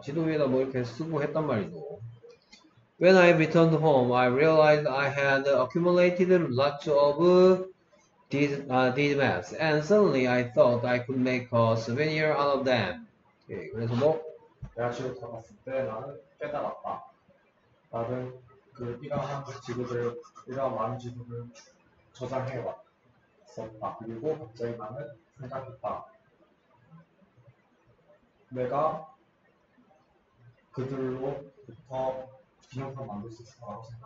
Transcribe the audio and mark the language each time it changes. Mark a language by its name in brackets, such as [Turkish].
[Korean] 지도 위에다 뭐 이렇게 쓰고 했단 말이죠. [English] When I returned home, I realized I had accumulated lots of these maps, and suddenly I thought I could make a souvenir out of them. [Korean] 그래서 뭐? 내가 집에 돌아갔을 때 나는 깨달았다. 나는 그 이러한 지도들, 이러한 많은 지도를 저장해왔다. 그리고 갑자기 나는 생각했다. 내가 그들로부터 기념품 만들 수 있을 거라고